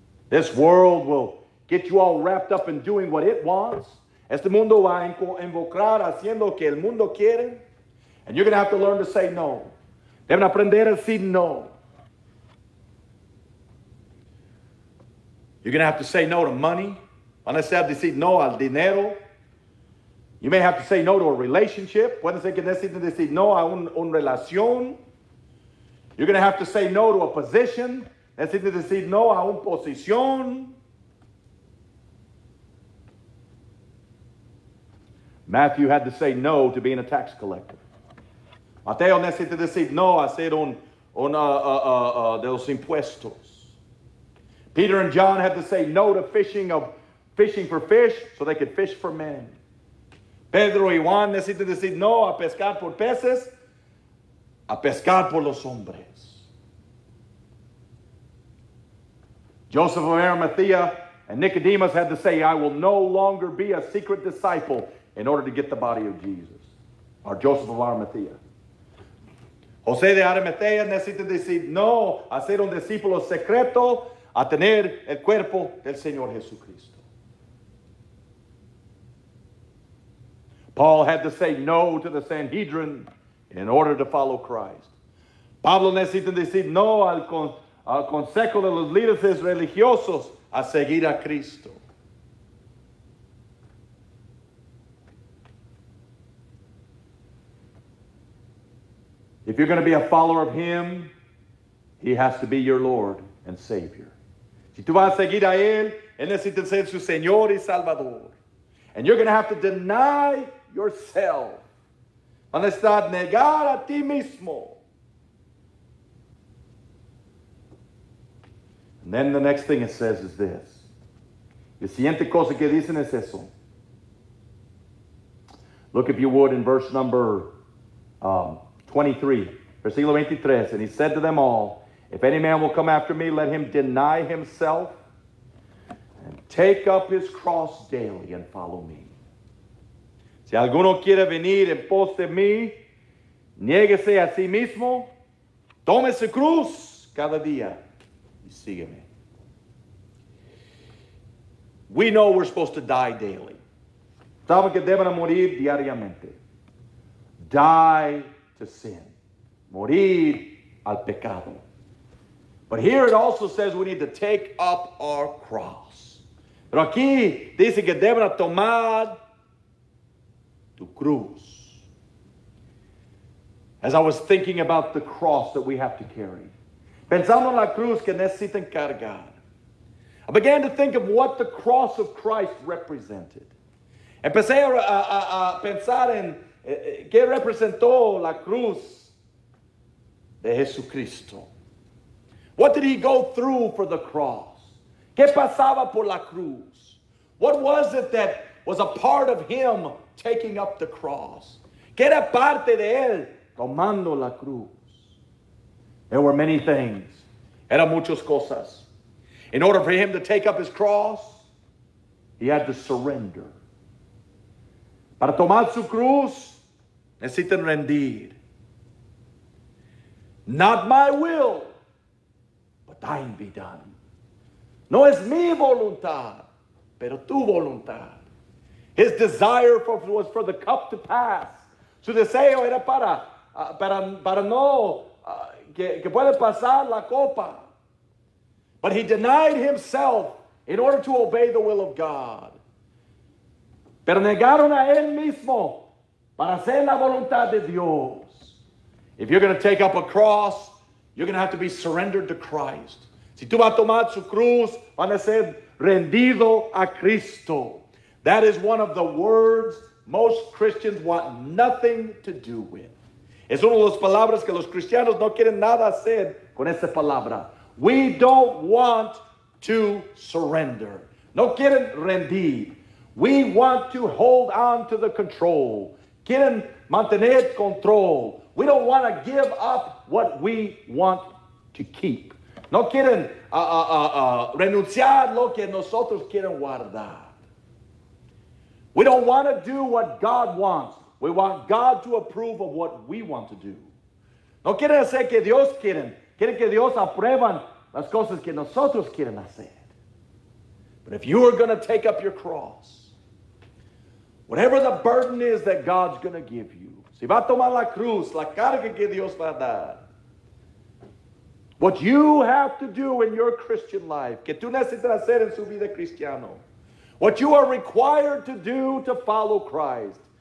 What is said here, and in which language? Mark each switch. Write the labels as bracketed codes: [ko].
[en] This world will get you all wrapped up in doing what it wants. [es] Este mundo va a involucrar haciendo lo que el mundo quiere. [en] And you're going to have to learn to say no. [es] Deben aprender a decir no. [en] You're going to have to say no to money. [es] Van a necesitar decir no al dinero. [en] You may have to say no to a relationship. [es] Puede ser que necesiten decir no a una relación. [en] You're going to have to say no to a position. [es] Necesiten decir no a una posición. [en] Matthew had to say no to being a tax collector. [es] Mateo necesita decir no a ser de los impuestos. [en] Peter and John had to say no to fishing for fish so they could fish for men. [es] Pedro y Juan necesitan decir no a pescar por peces, a pescar por los hombres. [en] Joseph of Arimathea and Nicodemus had to say, I will no longer be a secret disciple in order to get the body of Jesus. Or Joseph of Arimathea. [es] José de Arimatea necesita decir no a ser un discípulo secreto, a tener el cuerpo del Señor Jesucristo. [en] Paul had to say no to the Sanhedrin in order to follow Christ. [es] Pablo necesita decir no al consejo de los líderes religiosos a seguir a Cristo. [en] If you're going to be a follower of him, he has to be your Lord and Savior. [es] Si tú vas a seguir a él, él necesita ser su Señor y Salvador. [en] And you're going to have to deny yourself. [es] Vas a necesitar negar a ti mismo. [en] And then the next thing it says is this. [es] La siguiente cosa que dicen es eso. [en] Look if you would in verse number 23, [es] versículo 23. [en] And he said to them all, if any man will come after me, let him deny himself and take up his cross daily and follow me. [es] Si alguno quiere venir en pos de mí, niéguese a sí mismo, tome su cruz cada día y sígueme. [en] We know we're supposed to die daily. [es] Saben que deben morir diariamente. [en] Die to sin. [es] Morir al pecado. [en] But here it also says we need to take up our cross. [es] Pero aquí dice que deben tomar tu cruz. [en] As I was thinking about the cross that we have to carry. [es] Pensando en la cruz que necesitan cargar. [en] I began to think of what the cross of Christ represented. [es] Empecé a pensar en qué representó la cruz de Jesucristo. [en] What did he go through for the cross? [es] ¿Qué pasaba por la cruz? [en] What was it that was a part of him taking up the cross? [es] ¿Qué era parte de él tomando la cruz? [en] There were many things. [es] Eran muchas cosas. [en] In order for him to take up his cross, he had to surrender. [es] Para tomar su cruz, necesitan rendir. [en] Not my will, but thine be done. [es] No es mi voluntad, pero tu voluntad. [en] His desire for, was for the cup to pass. [es] Su deseo era para no que puede pasar la copa. [en] But he denied himself in order to obey the will of God. [es] Pero negaron a él mismo para hacer la voluntad de Dios. [en] If you're going to take up a cross, you're going to have to be surrendered to Christ. [es] Si tú vas a tomar su cruz, van a ser rendido a Cristo. [en] That is one of the words most Christians want nothing to do with. [es] Es una de las palabras que los cristianos no quieren nada hacer con esa palabra. [en] We don't want to surrender. [es] No quieren rendir. [en] We want to hold on to the control. [es] Quieren mantener control. [en] We don't want to give up what we want to keep. [es] No quieren renunciar lo que nosotros quieren guardar. [en] We don't want to do what God wants. We want God to approve of what we want to do. [es] No quieren hacer que Dios quieren. Quieren que Dios aprueban las cosas que nosotros quieren hacer. [en] But if you are going to take up your cross, whatever the burden is that God's going to give you, [es] si va a tomar la cruz, la carga que Dios va a dar, [en] what you have to do in your Christian life, [es] que tú necesitas hacer en su vida cristiano, [en] what you are required to do to follow Christ.